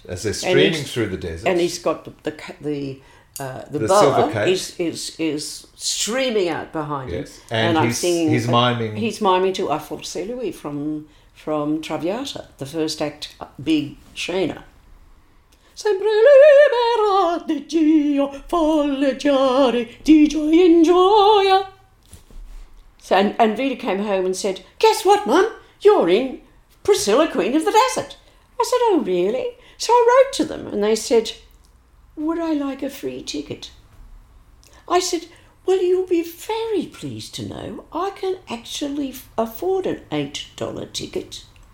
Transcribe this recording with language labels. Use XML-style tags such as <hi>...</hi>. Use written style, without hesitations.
<en>As they're streaming through the desert. And he's got the silver cape. Is streaming out behind him. And he's, singing, he's miming. He's miming to I Thought C'est Louis from Traviata, the first act, Big Shana.</en> <it>Sempre libera di Gio, folleggiare di gioia in gioia.</it> <en>And Vita came home and said, guess what, Mum? You're in Priscilla, Queen of the Desert. I said, oh, really? So I wrote to them and they said, would I like a free ticket? I said, well, you'll be very pleased to know I can actually afford an $8 ticket.</en>